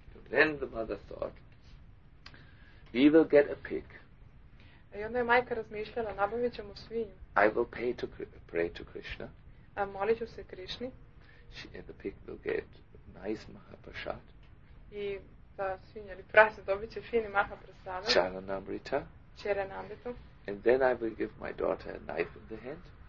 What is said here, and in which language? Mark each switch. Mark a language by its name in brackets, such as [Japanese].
[English] Then the mother thought, we will get a pig. [Serbian] I onda je majka razmišljala, nabavit ćemo svinju. [English] I will pay to pray to Krishna. [Serbian] A molit ću se Krišni. [English] And the pig will get nice mahaprasad. [Serbian] I ta svinja ili prase dobit će fini mahaprasad. [English] Charanamrita. [Serbian] Charanamrita. [English] And then I will give my daughter a knife in the hand.